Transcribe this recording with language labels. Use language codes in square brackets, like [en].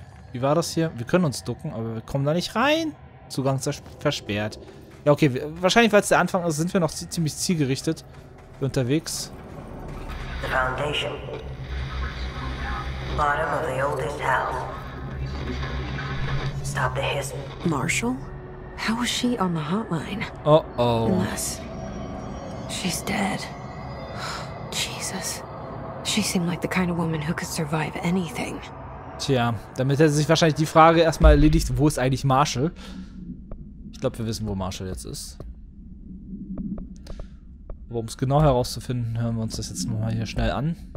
[de] Wie war das hier? Wir können uns ducken, aber wir kommen da nicht rein. Zugang versperrt. Ja, okay. Wahrscheinlich, weil es der Anfang ist, sind wir noch ziemlich zielgerichtet unterwegs. [en] The foundation. Bottom of the oldest house. Stop the hiss. Marshall? How was she on the hotline? Uh-oh. Unless she's dead. Jesus. She seemed like the kind of woman who could survive anything. [de] Tja, damit hätte sich wahrscheinlich die Frage erstmal erledigt, wo ist eigentlich Marshall? Ich glaube, wir wissen, wo Marshall jetzt ist. Aber um es genau herauszufinden, hören wir uns das jetzt nochmal hier schnell an.